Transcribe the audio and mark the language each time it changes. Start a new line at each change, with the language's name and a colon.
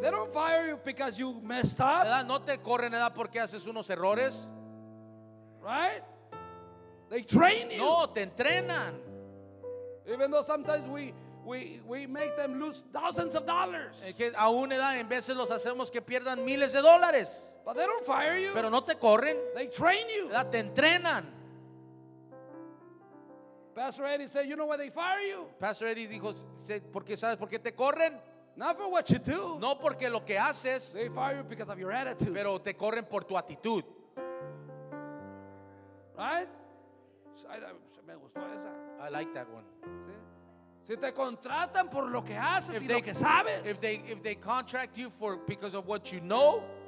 English: They don't fire you because you messed up.
Spanish: ¿Verdad? No te corren nada porque haces unos errores.
English: Right? They train you.
Spanish: No, te entrenan.
English: Even though sometimes we make them lose thousands of dollars.
Spanish: Aún en veces los hacemos que pierdan miles de dólares.
English: But they don't fire you.
Spanish: Pero no te corren.
English: They train you.
Spanish: Te entrenan.
English: Pastor Eddie said, "You know why they fire you?"
Spanish: Pastor Eddie dijo, "Porque sabes por qué te corren."
English: Not for what you do.
Spanish: No porque lo que haces.
English: They fire you because of your attitude.
Spanish: Pero te corren por tu actitud.
English: Right?
Spanish: Me gustó esa.
English: I like that one.
Spanish: Si te contratan por lo que haces y lo que sabes.
English: If they contract you for because of what you know